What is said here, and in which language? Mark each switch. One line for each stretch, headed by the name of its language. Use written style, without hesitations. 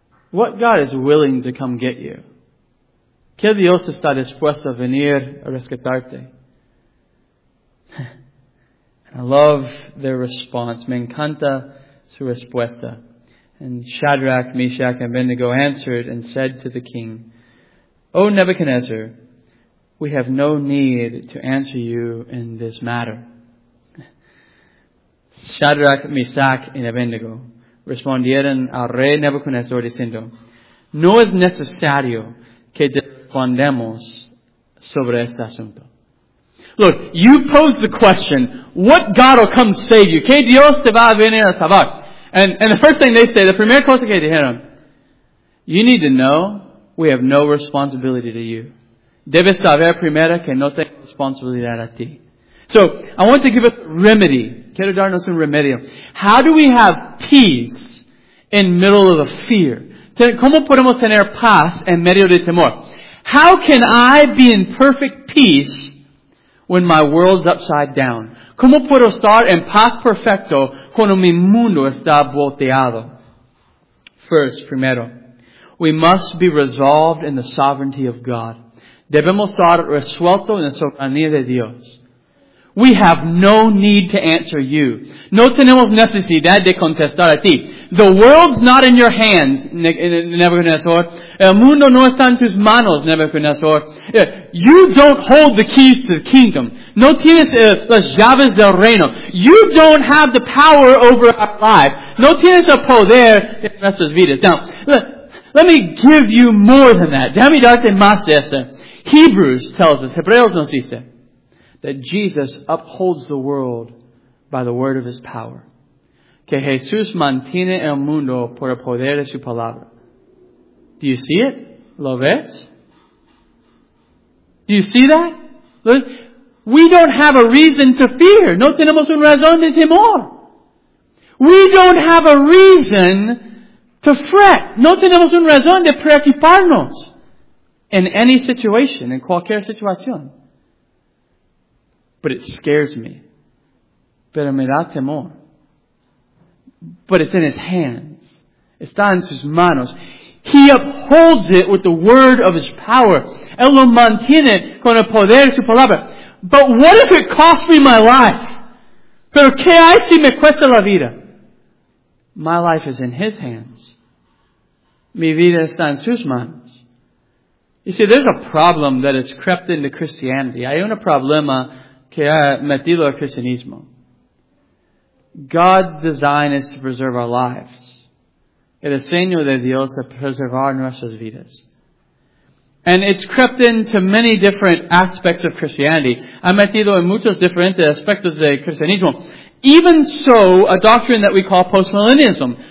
English: What God is willing to come get you?
Spanish: ¿Qué Dios está dispuesto a venir a rescatarte?
English: And I love their response.
Spanish: Me encanta su respuesta.
English: And Shadrach, Meshach, and Abednego answered and said to the king, O Nebuchadnezzar, we have no need to answer you in this matter.
Spanish: Shadrach, Meshach, and Abednego respondieron al rey Nebuchadnezzar diciendo, no es necesario que respondamos sobre este asunto.
English: Look, you pose the question, what God will come save you?
Spanish: ¿Qué Dios te va a venir a salvar?
English: And the first thing they say, the
Spanish: primera cosa que dijeron,
English: you need to know, we have no responsibility to you.
Spanish: Debes saber primero que no tengo responsabilidad a ti.
English: So, I want to give a remedy.
Spanish: Quiero darnos un remedio.
English: How do we have peace in the middle of a fear?
Spanish: ¿Cómo podemos tener paz en medio de temor?
English: How can I be in perfect peace when my world's upside down?
Spanish: ¿Cómo puedo estar en paz perfecto cuando mi mundo está volteado?
English: First,
Spanish: primero,
English: we must be resolved in the sovereignty of God.
Spanish: Debemos estar resuelto en la soberanía de Dios.
English: We have no need to answer you.
Spanish: No tenemos necesidad de contestar a ti.
English: The world's not in your hands, Nebuchadnezzar.
Spanish: El mundo no está en tus manos, Nebuchadnezzar.
English: You don't hold the keys to the kingdom.
Spanish: No tienes las llaves del reino.
English: You don't have the power over our life.
Spanish: No tienes el poder en nuestras vidas.
English: Now, let me give you more than that.
Spanish: Dame darte más de eso.
English: Hebrews tells us,
Spanish: Hebreos nos dice,
English: that Jesus upholds the world by the word of his power.
Spanish: Que Jesús mantiene el mundo por el poder de su palabra.
English: Do you see it?
Spanish: ¿Lo ves?
English: Do you see that? Look, we don't have a reason to fear.
Spanish: No tenemos un razón de temor.
English: We don't have a reason to fret.
Spanish: No tenemos un razón de preocuparnos.
English: In any situation,
Spanish: in cualquier situación.
English: But it scares me.
Spanish: Pero me da temor.
English: But it's in his hands.
Spanish: Está en sus manos.
English: He upholds it with the word of His power.
Spanish: Él lo mantiene con el poder de su palabra.
English: But what if it costs me my life?
Spanish: Pero qué hay si me cuesta la vida?
English: My life is in His hands.
Spanish: Mi vida está en sus manos.
English: You see, there's a problem that has crept into Christianity.
Spanish: Hay un problema que ha metido al cristianismo.
English: God's design is to preserve our lives.
Spanish: El diseño de Dios es preservar nuestras vidas.
English: And it's crept into many different aspects of Christianity.
Spanish: Ha metido en muchos diferentes aspectos del cristianismo.
English: Even so, a doctrine that we call postmillennialism.